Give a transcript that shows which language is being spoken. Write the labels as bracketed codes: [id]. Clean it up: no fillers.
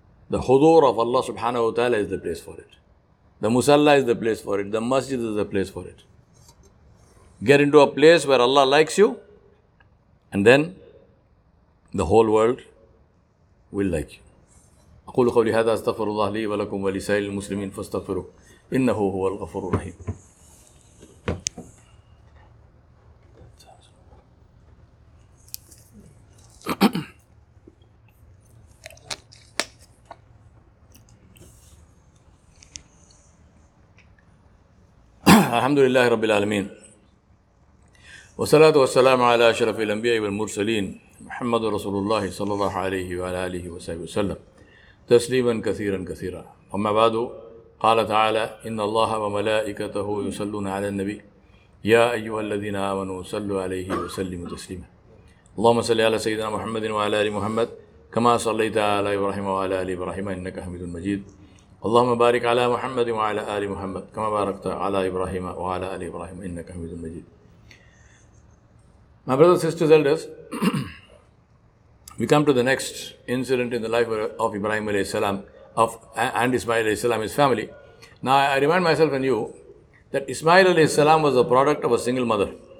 [en] The hudur of Allah subhanahu wa ta'ala is the place for it. The musalla is the place for it. The masjid is the place for it. Get into a place where Allah likes you and then the whole world will like you. [ar] أقول قولي هذا استغفر الله لي ولكم ولسائر المسلمين فاستغفروا إنه هو الغفور الرحيم. الحمد لله رب العالمين والصلاة والسلام على أشرف الأنبياء والمرسلين محمد رسول الله صلى الله عليه وعلى آله وصحبه وسلم تسليما كثيرا كثيرا وما بعد قال تعالى إن الله وملائكته يصلون على النبي يا أيها الذين آمنوا صلوا عليه وسلموا تسليما اللهم صل على سيدنا محمد وعلى آل محمد كما صليت على إبراهيم وعلى آل إبراهيم إنك حميد مجيد. اللهم بارك على محمد وعلى آل محمد كما باركت على إبراهيم وعلى آل إبراهيم إنك حميد مجيد. [en] My brothers, sisters, elders, we come to the next incident in the life of Ibrahim alayhi salam and Ismail alayhi salam, his family. Now, I remind myself and you that Ismail alayhi salam was a product of a single mother.